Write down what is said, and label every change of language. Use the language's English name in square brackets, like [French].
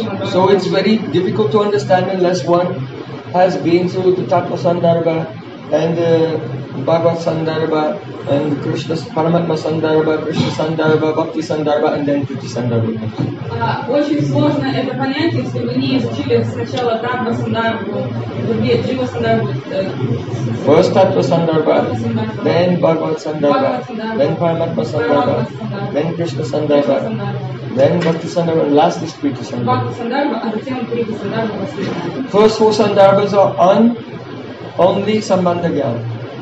[English] So it's very difficult to understand unless one has been through the tattva sandarbha and the Bhagavad sandarbha and Krishna's Paramatma Sandarbha, Krishna Sandarbha, Bhakti Sandarbha, and then Priti Sandarbha. [Russian] Очень сложно это понять, если вы не изучили сначала Тарба Сандарбху, другие Джива Сандарбху. [English] First Тарба Сандарбха, then Bhagavad Sandarbha, then Paramatma Sandarbha, then Krishna Sandarbha, then Bhakti Sandarbha, and last is Priti Sandarbha. [Russian] Bhakti Sandarbha, а затем Priti Sandarbha. [English] First four Сандарбхас are on only Sambandha Gyan.